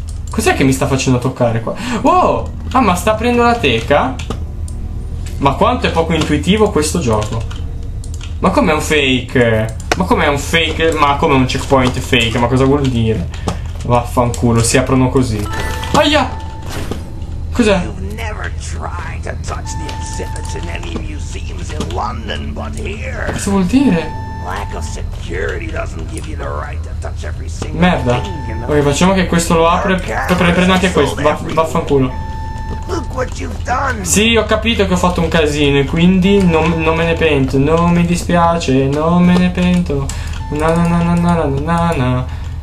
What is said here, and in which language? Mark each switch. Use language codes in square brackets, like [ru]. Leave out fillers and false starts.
[it] Cos'è che mi sta facendo toccare qua? Oh! Ah, ma sta aprendo la teca? Ma quanto è poco intuitivo questo gioco? Ma com'è un fake? Ma com'è un fake? Ma com'è un checkpoint fake? Ma cosa vuol dire? Vaffanculo, si aprono così. Aia! Cos'è? [en] You've never tried to touch the exhibits in any museums in London, but here. [it] Cosa vuol dire? [en] Lack of security doesn't give you the right to touch every single. [it] Merda. Ok, facciamo che questo lo apre. Prendo anche questo. Vaffanculo. [en] Look what you've done. [it] Sì, ho capito che ho fatto un casino, quindi non me ne pento. Non mi dispiace, non me ne pento. Na na na na na na na na na.